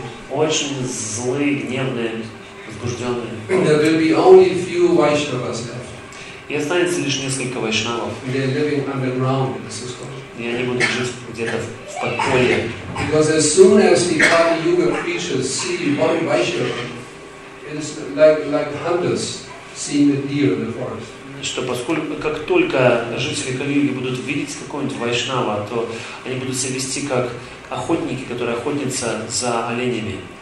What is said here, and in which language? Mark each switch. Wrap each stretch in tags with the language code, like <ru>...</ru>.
<ru>Очень злые, гневные, возбужденные. И останется лишь несколько вайшнавов. И они будут жить где-то в подполье.</ru> <en>Because as soon as the Kali Yuga creatures see one vaishnava, it is like hunters seeing a deer in the forest.</en> <ru>Что поскольку как только жители Кали-юги будут видеть какого-нибудь вайшнава, то они будут себя вести как охотники, которые охотятся за оленями.</ru>